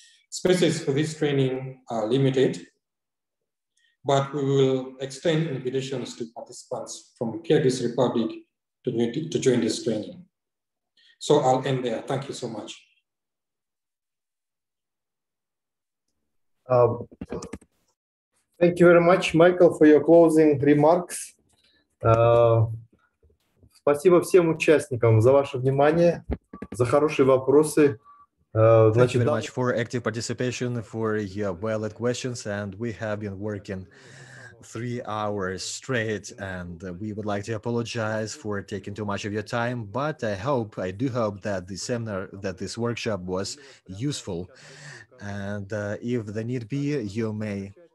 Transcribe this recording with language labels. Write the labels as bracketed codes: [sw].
[en] Spaces for this training are limited, but we will extend invitations to participants from Kyrgyz Republic to join this training. So I'll end there. Thank you so much. Thank you very much, Michael, for your closing remarks. [ru] Спасибо всем участникам за ваше внимание, за хорошие вопросы. [en] Thank you very much for active participation, for your valid questions, and we have been working 3 hours straight, and we would like to apologize for taking too much of your time, but I do hope that the seminar, that this workshop was useful, and if the need be, you may